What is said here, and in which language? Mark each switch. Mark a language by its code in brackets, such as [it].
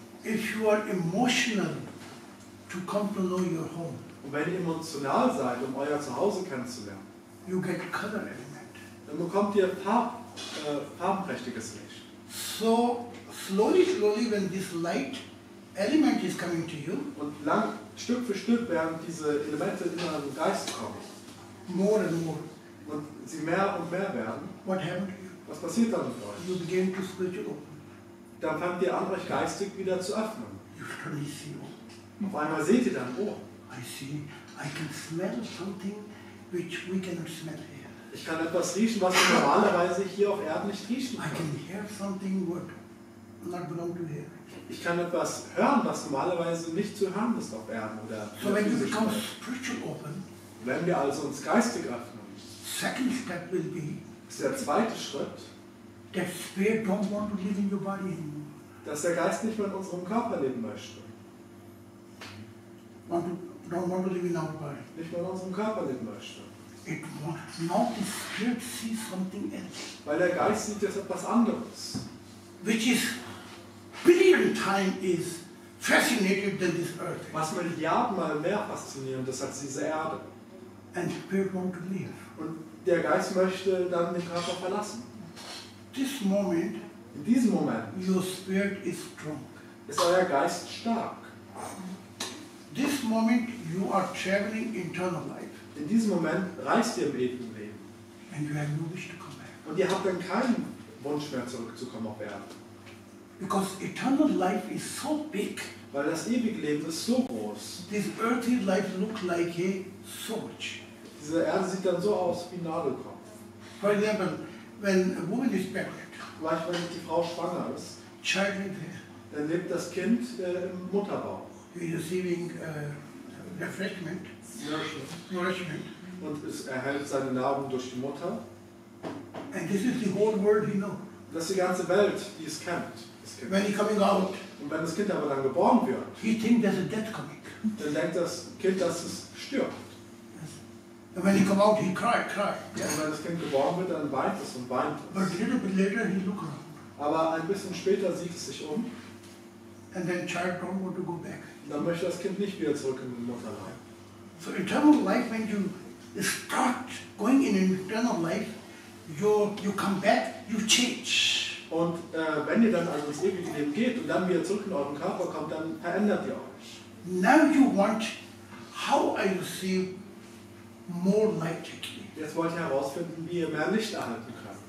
[en] If you are emotional to come to know your home, [de] und wenn ihr emotional seid, um euer Zuhause kennenzulernen, [en] you get color element. [de] Dann bekommt ihr farbenprächtiges Licht. [en] So slowly, slowly, when this light element is coming to you, [de] und lang, Stück für Stück, während diese Elemente in euren Geist kommen, [en] more and more, [de] und sie mehr und mehr werden, [en] what happened to you? [de] Was passiert dann mit euch? [en] You begin to spiritual open. [de] Dann fangt ihr an, euch geistig wieder zu öffnen. [en] You suddenly see open. [de] Auf einmal seht ihr dann, oh, [en] I see, I can smell something which we cannot smell here. [de] Ich kann etwas riechen, was wir normalerweise hier auf Erden nicht riechen können. [en] I can hear something what not belong to here. [de] Ich kann etwas hören, was normalerweise nicht zu hören ist auf Erden oder. [en] So when you become spiritual open, [de] wenn wir also uns geistig öffnen, [en] second step will be, [de] ist der zweite Schritt, [en] that spirit don't want to live in your body anymore. [de] Dass der Geist nicht mehr in unserem Körper leben möchte. [en] Don't want to live in our body. [de] Nicht mehr in unserem Körper leben möchte. [en] It wants, now the spirit sees something else. [de] Weil der Geist sieht jetzt etwas anderes. [en] Which is billion times is fascinated than this earth. [de] Was milliardenmal mehr fasziniert ist als diese Erde. [en] And the spirit won't leave. [de] Und der Geist möchte dann den Körper verlassen. [en] This moment, [de] in diesem Moment, [en] your spirit is strong. [de] Ist euer Geist stark. [en] This moment you are traveling internal life. [de] In diesem Moment reist ihr im ewigen Leben. [en] And you have no wish to come back. [de] Und ihr habt dann keinen Wunsch mehr zurückzukommen auf Erden. [en] Because eternal life is so big. [de] Weil das ewige Leben ist so groß. [en] This earthly life looks like a so much. [de] Diese Erde sieht dann so aus wie ein Nadelkopf. [en] For example, when a woman is pregnant. [de] Vielleicht wenn die Frau schwanger ist. [en] Child in there. [de] Dann lebt das Kind im Mutterbauch. [en] Receiving refreshment. Nourishment. [de] Und es erhält seine Nahrung durch die Mutter. [en] And this is the whole world you know. [de] Das ist die ganze Welt, die es kennt. [en] When he's coming out. [de] Und wenn das Kind aber dann geboren wird. [en] He thinks there's a death coming. [de] Dann denkt das Kind, dass es stirbt. [en] And when he come out, he cried, cried. [de] Ja, und wenn das Kind geboren wird, dann weint es und weint es. [en] But a little bit later he look around. [de] Aber ein bisschen später sieht es sich um. [en] And then child don't want to go back. [de] Dann möchte das Kind nicht wieder zurück in die Mutterleib. [en] So eternal life, when you start going in an eternal life, you come back, you change. [de] Und wenn ihr dann also ins ewige Leben geht und dann wieder zurück in euren Körper kommt, dann verändert ihr euch. [en] Now you want, how I see more light. [de] Jetzt wollt ihr herausfinden, wie ihr mehr Licht erhalten könnt.